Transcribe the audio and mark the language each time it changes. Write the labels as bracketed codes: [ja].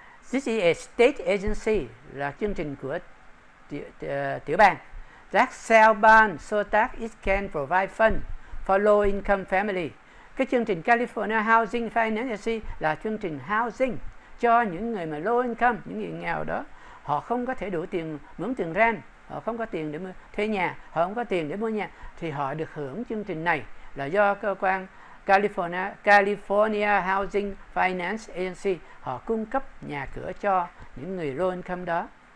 [en] This is a state agency, [vi] là chương trình của tiểu bang. [en] That sell bond so that it can provide funds for low income families. [vi] Cái chương trình California Housing Finance Agency là chương trình housing cho những người mà low income, những người nghèo đó. Họ không có thể đủ tiền mướn tiền rent, họ không có tiền để thuê nhà, họ không có tiền để mua nhà, thì họ được hưởng chương trình này. Là do cơ quan California Housing Finance Agency họ cung cấp nhà cửa cho những người low income đó.